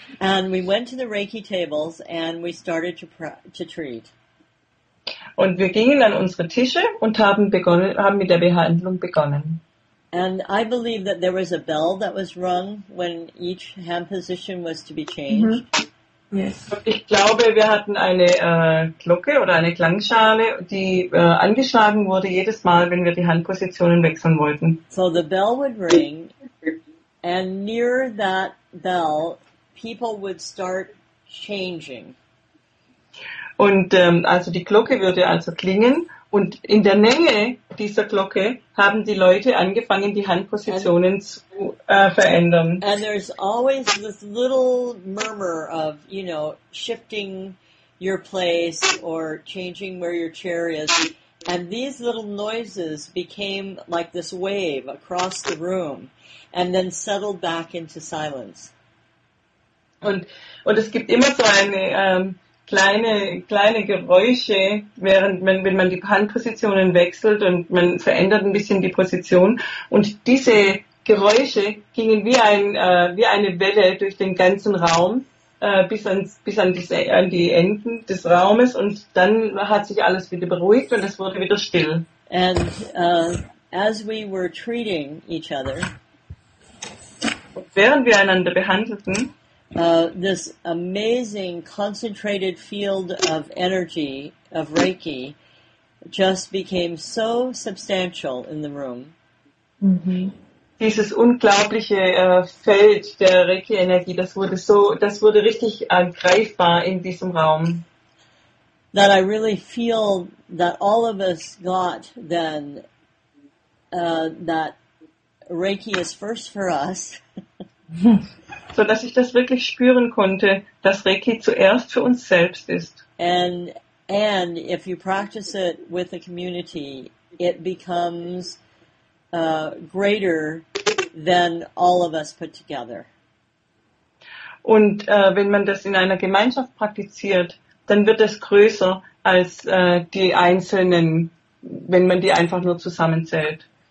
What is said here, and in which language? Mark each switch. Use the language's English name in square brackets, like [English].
[English] And we went to the Reiki tables and we started to treat. [German] Und wir gingen an unsere Tische und haben mit der Behandlung begonnen. [English] And I believe that there was a bell that was rung when each hand position was to be changed. Mm-hmm. Yes. [German] Ich glaube, wir hatten eine Glocke oder eine Klangschale, die angeschlagen wurde jedes Mal, wenn wir die Handpositionen wechseln wollten. [English] So the bell would ring. And near that bell, people would start changing. [German] Und also die Glocke würde also klingen. Und in der Nähe dieser Glocke haben die Leute angefangen, die Handpositionen verändern. [English] And there's always this little murmur of, you know, shifting your place or changing where your chair is. And these little noises became like this wave across the room and then settled back into silence. [German] Und es gibt immer so eine kleine Geräusche, während man, wenn man die Handpositionen wechselt und man verändert ein bisschen die Position. Und diese Geräusche gingen wie eine Welle durch den ganzen Raum. Bis an die Enden des Raumes und dann hat sich alles wieder beruhigt und es wurde wieder still. [English] And as we were treating each other, [German] während wir einander behandelten, [English] this amazing concentrated field of energy of Reiki just became so substantial in the room. Mm-hmm. [German] Dieses unglaubliche Feld der Reiki-Energie, das wurde richtig greifbar in diesem Raum. [English] That I really feel that all of us got then that Reiki is first for us. [German] So dass ich das wirklich spüren konnte, dass Reiki zuerst für uns selbst ist. [English] And if you practice it with a community, it becomes greater than all of us put together. [German] Und wenn man das in einer Gemeinschaft praktiziert, dann wird das größer als die Einzelnen, wenn man die einfach nur zusammenzählt.